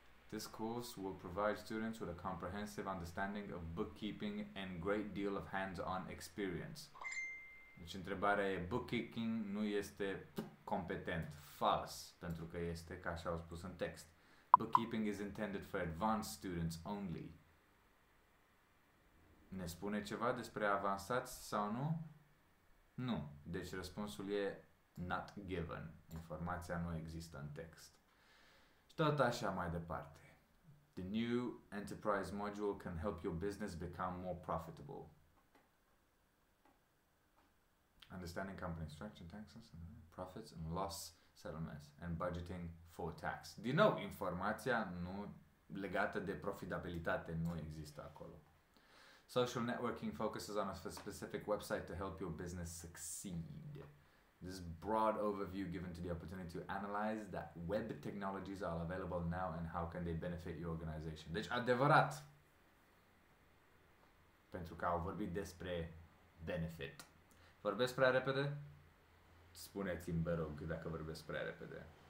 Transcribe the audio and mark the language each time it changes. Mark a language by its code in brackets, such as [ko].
[en] This course will provide students with a comprehensive understanding of bookkeeping and great deal of hands-on experience. [ro] Deci întrebarea e, bookkeeping nu este competent, fals, pentru că este, ca așa au spus în text. [en] Bookkeeping is intended for advanced students only. [ro] Ne spune ceva despre avansați sau nu? Nu. Deci răspunsul e [en] not given. [ro] Informația nu există în text. Și tot așa mai departe. [en] The new enterprise module can help your business become more profitable. Understanding company structure, taxes, and profits and loss settlements and budgeting for tax. [ro] Din nou, informația nu legată de profitabilitate nu există acolo. [en] Social networking focuses on a specific website to help your business succeed. This broad overview given to the opportunity to analyze that web technologies are available now and how can they benefit your organization. [ro] Deci, adevărat! Pentru că au vorbit despre benefit. Vorbesc prea repede? Spuneți-mi, vă rog, dacă vorbesc prea repede.